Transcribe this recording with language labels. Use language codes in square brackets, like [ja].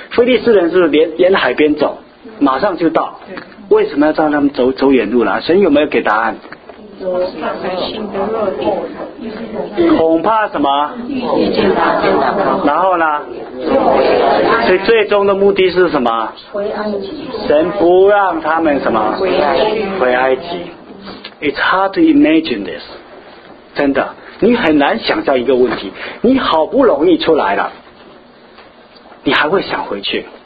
[zh] 非利士人是沿海边走，马上就到，为什么要让他们走远路呢？神有没有给答案？恐怕什么？然后呢？所以最终的目的是什么？神不让他们什么？回埃及。 [en] It's hard to imagine this. [zh] 真的，你很难想象一个问题。你好不容易出来了，你还会想回去。